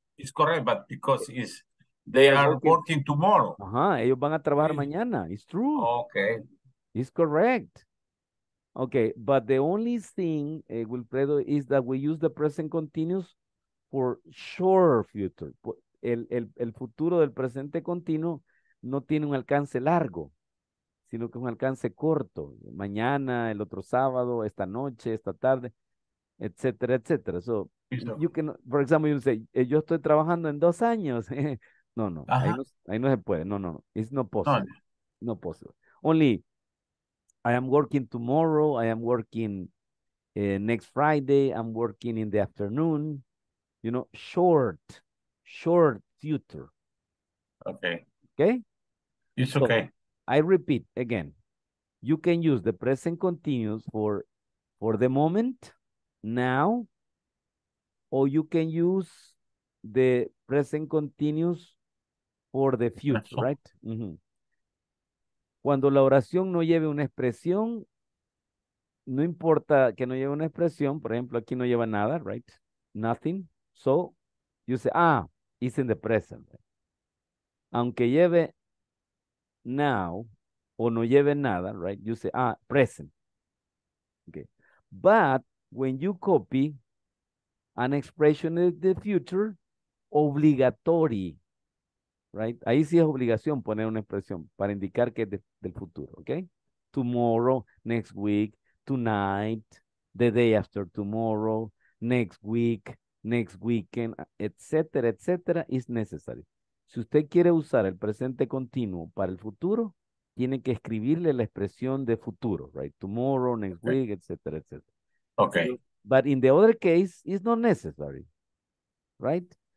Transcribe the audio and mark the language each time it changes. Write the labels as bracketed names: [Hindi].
[English] It's correct, but because it's they are working tomorrow. [Spanish] Ellos van a trabajar mañana. [English] It's true. Okay. It's correct. Okay, but the only thing, Wilfredo, is that we use the present continuous for sure future. [Spanish] El futuro del presente continuo no tiene un alcance largo, sino que es un alcance corto. Mañana, el otro sábado, esta noche, esta tarde, etcétera, etcétera. [English] So, you can, for example, you say, [Spanish] yo estoy trabajando en 2 años. No, ahí no se puede. [English] No, it's not possible. No possible. Only, I am working tomorrow, I am working next Friday, I'm working in the afternoon, you know, short future. Okay. It's so, okay. I repeat again. You can use the present continuous for the moment, now, or you can use the present continuous for the future, right? Mm-hmm. [Spanish] Cuando la oración no lleve una expresión, no importa que no lleve una expresión, por ejemplo, aquí no lleva nada, right? [English] Nothing. So, you say, it's in the present. [Spanish] Aunque lleve now o no lleve nada, right? [English] You say, present. Okay. But when you copy an expression in the future, obligatory. right? [Spanish] Ahí sí es obligación poner una expresión para indicar que es del futuro, okay? [English] Tomorrow, next week, tonight, the day after tomorrow, next week, next weekend, etcétera, etcétera, is necessary. [Spanish] Si usted quiere usar el presente continuo para el futuro, tiene que escribirle la expresión de futuro, right? [English] Tomorrow, next week, okay, etcétera, etcétera. Okay. But in the other case, it's not necessary, right?